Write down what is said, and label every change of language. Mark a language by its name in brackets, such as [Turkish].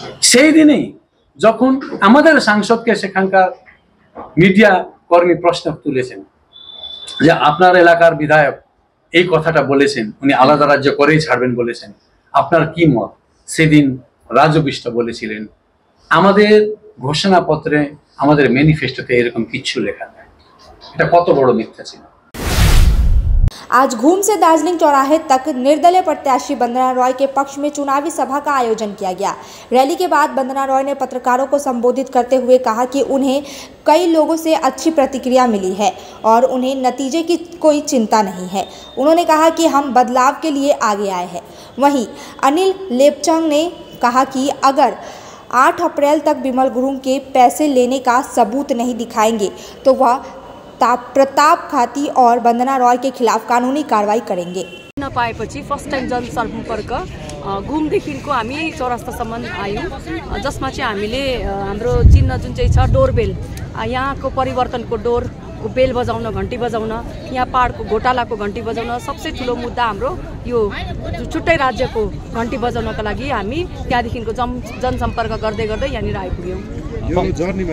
[Bangla] সেই দিনেই যখন আমাদের সাংসদকে সেখানকার মিডিয়া কর্মী প্রশ্ন তুলেছেন যে আপনার এলাকার বিধায়ক এই কথাটা বলেছেন, উনি আলাদা রাজ্য করেই ছাড়বেন বলেছেন, আপনার কি মত? সেদিন রাজু বিষ্ট বলেছিলেন আমাদের ঘোষণাপত্রে আমাদের ম্যানিফেস্টোতে এরকম কিছু লেখা নেই, এটা কত বড় মিথ্যা ছিল। [Hindi] आज घूम से दार्जिलिंग चौराहे तक निर्दलीय प्रत्याशी वंदना रॉय के पक्ष में चुनावी सभा का आयोजन किया गया। रैली के बाद वंदना रॉय ने पत्रकारों को संबोधित करते हुए कहा कि उन्हें कई लोगों से अच्छी प्रतिक्रिया मिली है और उन्हें नतीजे की कोई चिंता नहीं है। उन्होंने कहा कि हम बदलाव के लिए आगे आए हैं। वहीं अनिल लेपचंग ने कहा कि अगर 8 अप्रैल तक विमल गुरु के पैसे लेने का सबूत नहीं दिखाएंगे तो वह प्रताप खाती और वंदना रॉय के खिलाफ कानूनी कार्रवाई करेंगे। [Nepali] नपाए पछि फर्स्ट टाइम जनसम्पर्क घुम देखिको हामी चौरास्तासम्म आयौँ, जसमा चाहिँ हामीले हाम्रो चिन्ह जुन चाहिँ छ डोरबेल, यहाँको परिवर्तनको डोर बेल बजाउन, घन्टी बजाउन, यहाँ पहाडको घोटालाको घन्टी बजाउन, सबसे ठुलो मुद्दा हाम्रो यो छुट्टै राज्यको घन्टी बजाउनको लागि हामी त्यहाँदेखिको जनसम्पर्क गर्दै गर्दै यहाँनिर आइपुग्यौँ।